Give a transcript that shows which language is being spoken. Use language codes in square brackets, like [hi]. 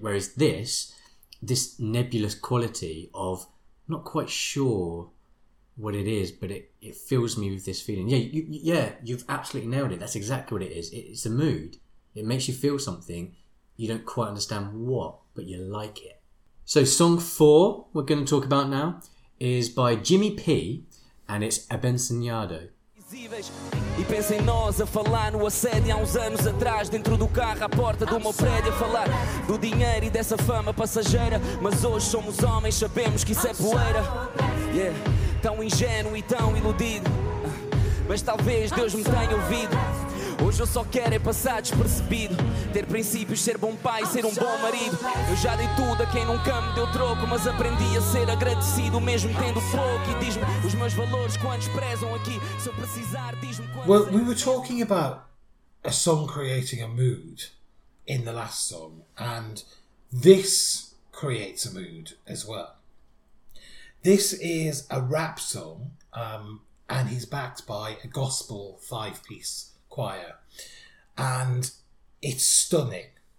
[en] Whereas this nebulous quality of not quite sure what it is, but it fills me with this feeling. Yeah, you've absolutely nailed it. That's exactly what it is. It's a mood. It makes you feel something. You don't quite understand what, but you like it. So song 4 we're going to talk about now is by Jimmy P, and it's Abençoado. [pt] E pensa em nós a falar no assédio há uns anos atrás, dentro do carro à porta do meu prédio, a falar do dinheiro e dessa fama passageira. Mas hoje somos homens, sabemos que isso é poeira. Yeah. Tão ingênuo e tão iludido, mas talvez Deus me tenha ouvido. Hoje eu só quero é passar despercebido, ter princípios, ser bom pai, ser um bom marido. Eu já dei tudo a quem nunca me deu troco, mas aprendi a ser agradecido mesmo tendo pouco. E diz-me os meus valores, quantos prezam aqui? Se eu precisar, diz-me quantos. [en] Well, we were talking about a song creating a mood in the last song, and this creates a mood as well. This is a rap song, and he's backed by a gospel five-piece choir, and it's stunning.